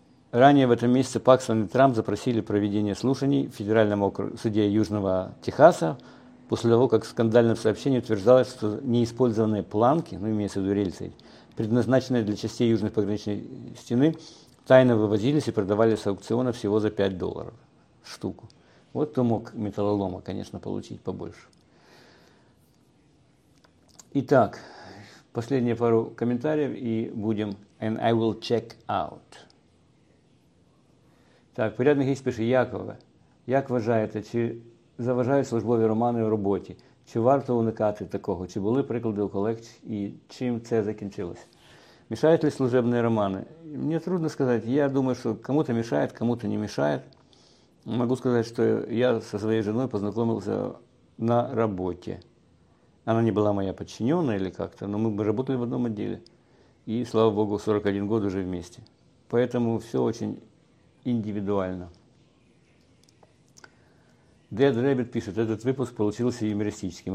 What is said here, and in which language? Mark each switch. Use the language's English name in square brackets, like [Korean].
[Russian] Ранее в этом месяце Пакстон и Трамп запросили проведение слушаний в федеральном суде Южного Техаса после того, как в скандальном сообщении утверждалось, что неиспользованные планки, ну, имеется в виду рельсы, предназначенные для частей Южной пограничной стены, тайно вывозились и продавались с аукциона всего за $5 штуку. Вот кто мог металлолома, конечно, получить побольше. Итак, последние пару комментариев и будем [English] «And I will check out». [Ukrainian] Так, порядный гість пише Якова. Як вважаєте, чи заважають службові романи в роботі? Чи варто уникати такого? Чи були приклади у колег? І чим це закінчилось? Мішають ли служебні романи? Мені трудно сказати. Я думаю, що кому-то мішають, кому-то не мішають. Могу сказати, що я зі своєю жінкою познайомився на роботі. Вона не була моя підчинена, але як-то, але ми працювали в одному відділі. І, слава Богу, 41 рік вже в місті. Тому все дуже індивідуально. Dead Rabbit пише, що цей випуск вийшов юмористичним.